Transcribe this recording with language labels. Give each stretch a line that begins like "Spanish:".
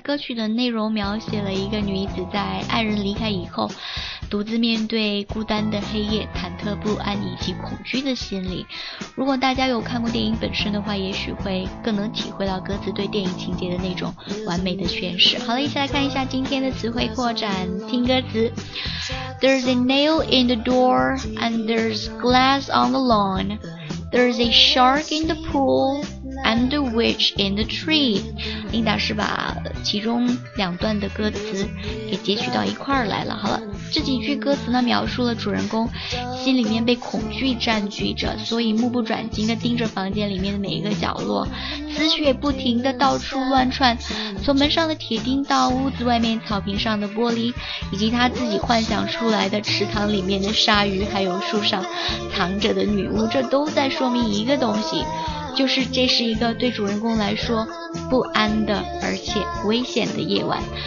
Chinese: 歌曲的内容描写了一个女子在爱人离开以后，独自面对孤单的黑夜，忐忑不安以及恐惧的心理。如果大家有看过电影本身的话，也许会更能体会到歌词对电影情节的那种完美的诠释。好了，一起来看一下今天的词汇扩展，听歌词。
English: There's a nail in the door and there's glass on the lawn. There's a shark in the pool and a witch in the tree.
Chinese: Linda 是把其中两段的歌词给截取到一块来了。好了，这几句歌词呢描述了主人公心里面被恐惧占据着，所以目不转睛地盯着房间里面的每一个角落，思绪也不停地到处乱窜，从门上的铁钉到屋子外面草坪上的玻璃，以及他自己幻想出来的池塘里面的鲨鱼，还有树上藏着的女巫，这都在说明一个东西，就是这是一个对主人公来说不安的而且危险的夜晚。